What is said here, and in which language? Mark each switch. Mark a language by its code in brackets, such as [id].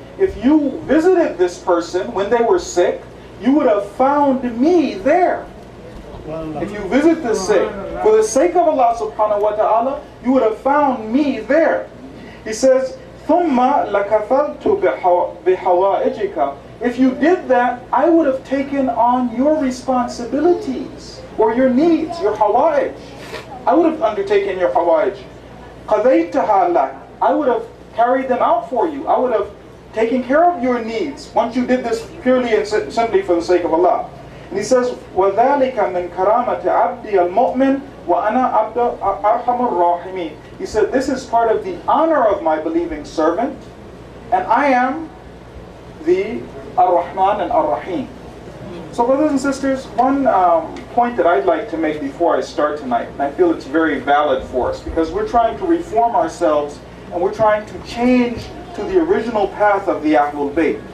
[en] If you visited this person when they were sick, you would have found me there. If you visit the sick, for the sake of Allah subhanahu wa ta'ala, you would have found me there. He says, [ar] ثُمَّ لَكَفَلْتُ بِحَوَائِجِكَ. [en] If you did that, I would have taken on your responsibilities, or your needs, your hawa'ij. I would have undertaken your hawa'ij. [ar] قَذَيْتَهَا لَكَ. [en] I would have carried them out for you. I would have taken care of your needs, once you did this purely and simply for the sake of Allah. And he says, [ar] وَذَلِكَ مِنْ كَرَامَةِ عَبْدِي الْمُؤْمِنِ وَأَنَا عَبْدُ أَرْحَمُ الرَّاحِمِينَ. [en] He said, this is part of the honor of my believing servant, and I am the Ar-Rahman and Ar-Rahim. So brothers and sisters, one point that I'd like to make before I start tonight, and I feel it's very valid for us, because we're trying to reform ourselves, and we're trying to change to the original path of the Ahlul Bayt.